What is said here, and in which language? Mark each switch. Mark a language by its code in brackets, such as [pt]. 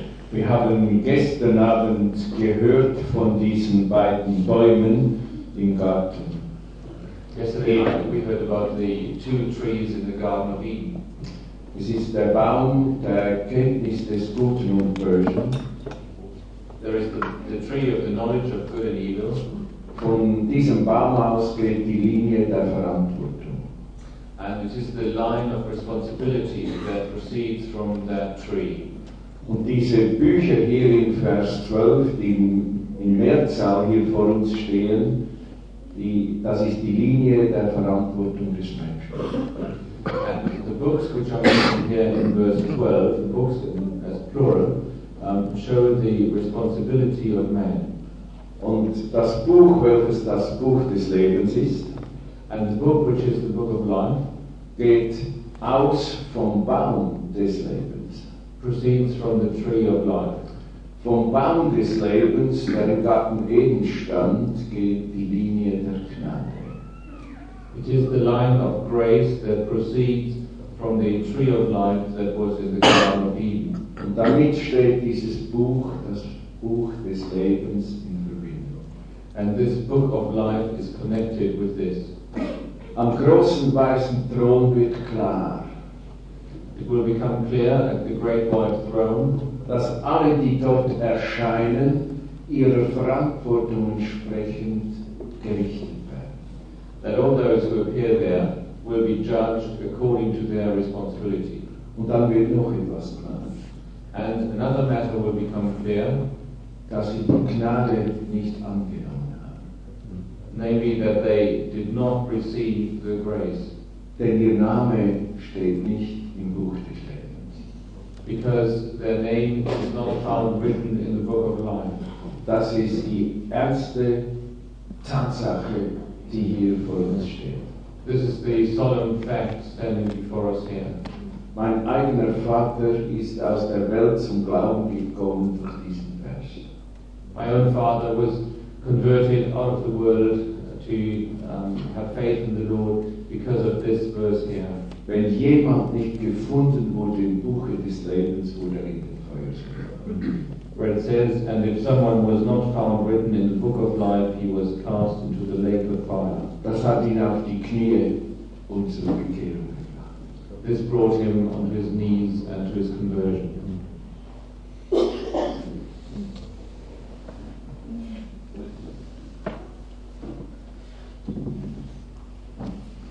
[de] Wir haben gestern Abend gehört von diesen beiden Bäumen im Garten. [en] Yesterday night we heard about the two trees in the Garden of Eden. [de] Es ist der Baum der Kenntnis des Guten und Bösen. [en] There is the tree of the knowledge of good and evil. [de] Von diesem Baum aus geht die Linie der Verantwortung. [en] And it is the line of responsibility that proceeds from that tree. [de] Und diese Bücher hier in Vers 12, die in Mehrzahl hier vor uns stehen, das ist die Linie der Verantwortung des Menschen. [en] And the books which are mentioned here in verse 12, the books as plural, show the responsibility of man. [de] Und das Buch, welches das Buch des Lebens ist, [en] and the book which is the book of life, [de] geht aus vom Baum des Lebens. [en] Proceeds from the tree of life. [de] Vom Baum des Lebens, der im Garten Eden stand, geht die Linie der Gnade. [en] It is the line of grace that proceeds from the tree of life that was in the Garden of Eden. [de] Und damit steht dieses Buch, das Buch des Lebens, in Verbindung. [en] And this book of life is connected with this. [de] Am großen weißen Thron wird klar. [en] It will become clear at the great white throne, [de] dass alle, die dort erscheinen, ihrer Verantwortung entsprechend gerichtet werden. [en] That all those who appear there will be judged according to their responsibility. [de] Und dann wird noch etwas klar. [en] And another matter will become clear, [de] dass sie die Gnade nicht angenommen haben. [en] Namely that they did not receive the grace. [de] Denn ihr Name steht nicht im Buch des Lebens. [en] Because their name is not found written in the book of life. [de] Das ist die ernste Tatsache, die hier vor uns steht. [en] This is the solemn fact standing before us here. [de] Mein eigener Vater ist aus der Welt zum Glauben gekommen durch diesen Vers. [en] My own father was converted out of the world to have faith in the Lord because of this verse here. [de] Wenn jemand nicht gefunden wurde im Buche des Lebens, wurde er in den Feuer geworfen. [en] Where it says, and if someone was not found written in the book of life, he was cast into the lake of fire. [de] Das hat ihn auf die Knie und zur Bekehrung gebracht. [en] This brought him on his knees and to his conversion. Thank you.